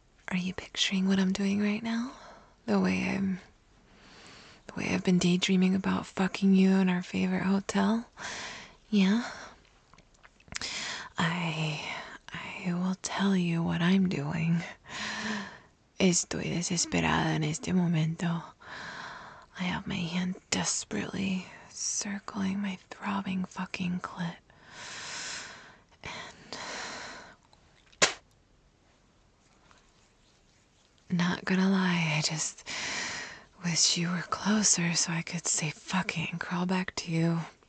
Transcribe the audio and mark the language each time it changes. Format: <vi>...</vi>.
<en>Are you picturing what I'm doing right now? The way I've been daydreaming about fucking you in our favorite hotel? Yeah? I will tell you what I'm doing.</en> <es>Estoy desesperada en este momento.</es> <en>I have my hand desperately circling my throbbing fucking clit. Not gonna lie, I just wish you were closer so I could say fuck it and crawl back to you.</en>